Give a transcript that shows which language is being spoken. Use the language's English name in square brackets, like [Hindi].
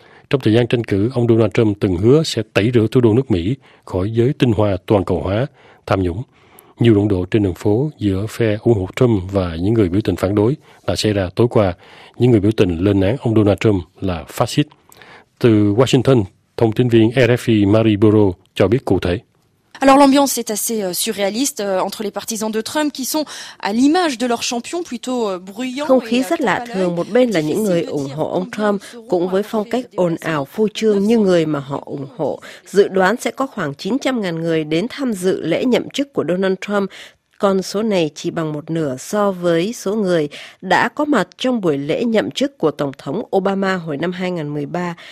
[Vietnamese] Trong thời gian tranh cử, ông Donald Trump từng hứa sẽ tẩy rửa thủ đô nước Mỹ khỏi giới tinh hoa toàn cầu hóa, tham nhũng. Nhiều đụng độ trên đường phố giữa phe ủng hộ Trump và những người biểu tình phản đối đã xảy ra tối qua. Những người biểu tình lên án ông Donald Trump là phát xít. Từ Washington, thông tin viên RFI Marie Bureau cho biết cụ thể. [French] Alors l'ambiance est assez surréaliste entre les partisans de Trump qui sont à l'image de leur champion plutôt bruyant. [Vietnamese] Không khí rất lạ thường, một bên là những người ủng hộ ông Trump cũng với phong cách ồn ào phô trương như người mà họ ủng hộ. Dự đoán sẽ có khoảng 900.000 người đến tham dự lễ nhậm chức của Donald Trump. Con số này chỉ bằng một nửa so với số người đã có mặt trong buổi lễ nhậm chức của Tổng thống Obama hồi năm 2013.